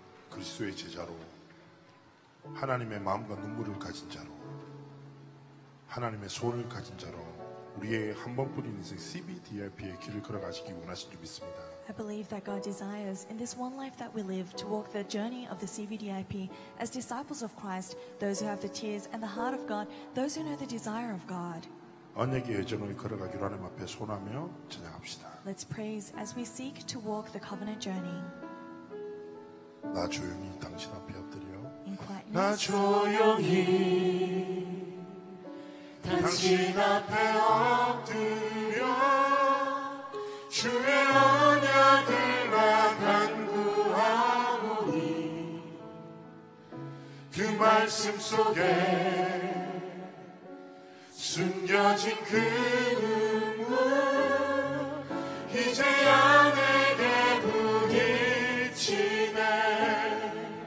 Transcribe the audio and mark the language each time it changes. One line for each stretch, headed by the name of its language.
Korean: 그리스도의 제자로 하나님의 마음과 눈물을 가진 자로 하나님의 소원을 가진 자로 우리의 한 번뿐인 인생 CBDIP의 길을 걸어가시기 원하신 줄 믿습니다.
English: I believe that God desires in this one life that we live to walk the journey of the CBDIP as disciples of Christ, those who have the tears and the heart of God, those who know the desire of God.
Korean: 언약의 여정을 걸어가기로 하나님 앞에 소원하며 찬양합시다.
English: Let's praise as we seek to walk the covenant journey.
Korean: 나 조용히 당신 앞에 엎드려 나 조용히 당신 앞에 엎드려 주의 언약을만 간구하오니 그 말씀 속에 숨겨진 그 눈물 이제야 내게 부딪히네